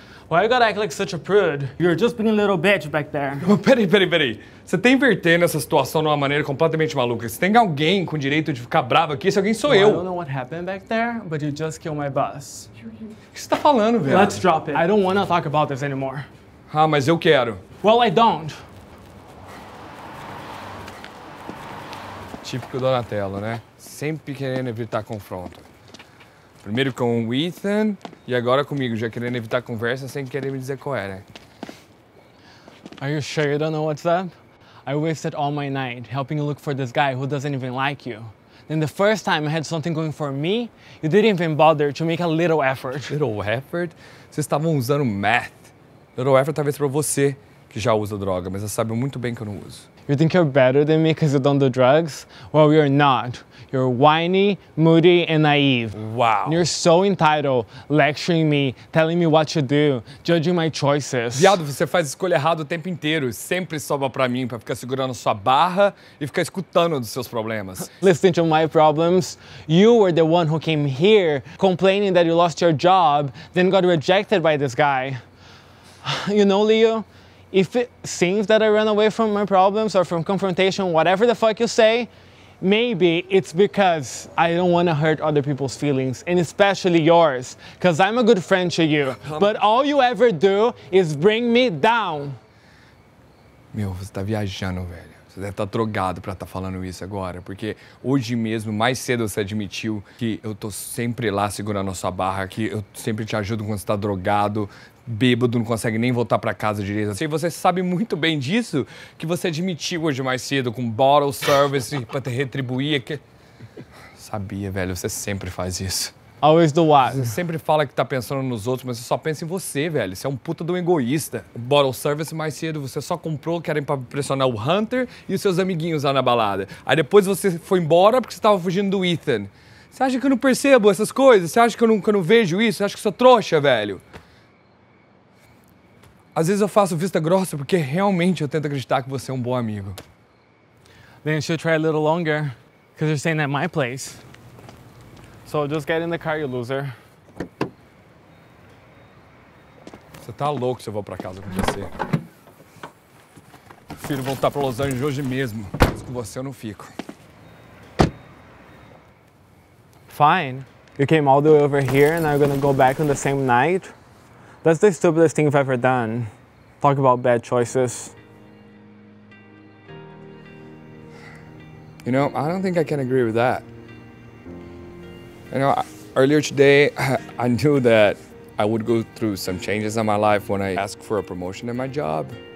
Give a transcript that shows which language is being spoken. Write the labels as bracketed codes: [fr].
[en] Why you gotta act like such a prude? You're just being a little bitch back there. [pt] Peraí. Você tá invertendo essa situação de uma maneira completamente maluca. Se tem alguém com direito de ficar bravo aqui, esse alguém sou eu. [en] I don't know what happened back there, but you just killed my boss. [pt] O que você tá falando, velho? [en] Let's drop it. I don't wanna talk about this anymore. [pt] Ah, mas eu quero. [en] Well, I don't. [pt] Típico Donatello, né? Sempre querendo evitar confronto. Primeiro com o Ethan e agora comigo, já querendo evitar conversa sem querer me dizer qual é, né? [en] Are you sure you don't know what's up? I wasted all my night helping you look for this guy who doesn't even like you. Then the first time I had something going for me, you didn't even bother to make a little effort. Little effort? [pt] Vocês estavam usando meth. [en] Little effort [pt] talvez pra você que já usa droga, mas você sabe muito bem que eu não uso. [en] You think you're better than me because you don't do drugs? Well, you're not. You're whiny, moody, and naive. Wow. And you're so entitled, lecturing me, telling me what to do, judging my choices. [pt] Viado, você faz escolha errada o tempo inteiro. Sempre sobra pra mim pra ficar segurando sua barra e ficar escutando dos seus problemas. [en] Listen to my problems. You were the one who came here complaining that you lost your job, then got rejected by this guy. You know, Leo? If it seems that I ran away from my problems or from confrontation, whatever the fuck you say, maybe it's because I don't want to hurt other people's feelings, and especially yours, because I'm a good friend to you. But all you ever do is bring me down. [pt] Meu, você tá viajando, velho. Você deve estar drogado pra estar falando isso agora, porque hoje mesmo, mais cedo, você admitiu que eu tô sempre lá segurando a sua barra, que eu sempre te ajudo quando você tá drogado. Bêbado, não consegue nem voltar pra casa direito. Assim, você sabe muito bem disso que você admitiu hoje mais cedo com bottle service pra te retribuir. Que... Sabia, velho, você sempre faz isso. [en] Always do what? [pt] Você sempre fala que tá pensando nos outros, mas você só pensa em você, velho. Você é um puta de um egoísta. Bottle service mais cedo, você só comprou que era pra pressionar o Hunter e os seus amiguinhos lá na balada. Aí depois você foi embora porque você tava fugindo do Ethan. Você acha que eu não percebo essas coisas? Você acha que eu não vejo isso? Você acha que eu sou trouxa, velho? Às vezes eu faço vista grossa porque realmente eu tento acreditar que você é um bom amigo. [en] Then you should try a little longer, because you're staying at my place. So just get in the car, you loser. [pt] Você tá louco se eu vou pra casa com você. Prefiro voltar pra Los Angeles hoje mesmo, mas com você eu não fico. [en] Fine. You came all the way over here and now you're gonna go back on the same night? That's the stupidest thing I've ever done. Talk about bad choices. You know, I don't think I can agree with that. You know, earlier today, I knew that I would go through some changes in my life when I asked for a promotion at my job.